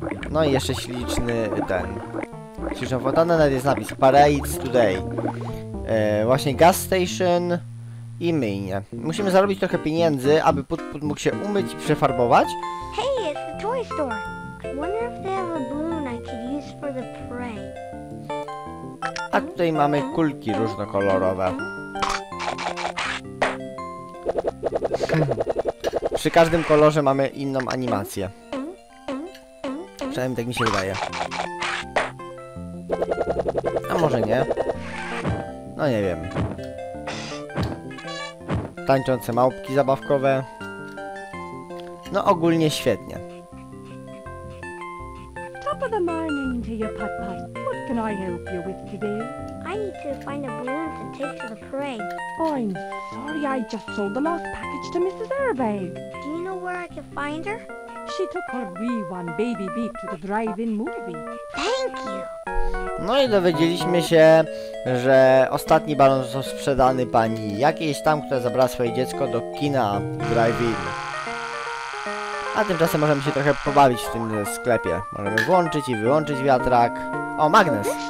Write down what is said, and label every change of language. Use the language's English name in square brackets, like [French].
[Polish] No i jeszcze śliczny ten. Śliczna fontanna, nawet jest napis [English] Parade Today. [Polish] Właśnie [English] gas station [Polish] i myjnie. Musimy zarobić trochę pieniędzy, aby Put-Put mógł się umyć i przefarbować. [English] Hey, it's the toy store. Wonder if they have a balloon I could use for the parade. [Polish] A tutaj mamy kulki różnokolorowe. Przy każdym kolorze mamy inną animację. Przynajmniej tak mi się wydaje. A może nie? No nie wiem. Tańczące małpki zabawkowe. No ogólnie świetnie. [English] Good morning to you, Put-Put. What can I help you with today? I need to find a balloon to take to the parade. I'm sorry, I just sold the lost package to Mrs. Airbag. Do you know where I can find her? She took her wee one, Baby Beep, to the drive-in movie. Thank you! [Polish] No i dowiedzieliśmy się, że ostatni balon został sprzedany pani jakiejś tam, która zabrała swoje dziecko do kina drive-in. A tymczasem możemy się trochę pobawić w tym sklepie. Możemy włączyć i wyłączyć wiatrak. O, magnes!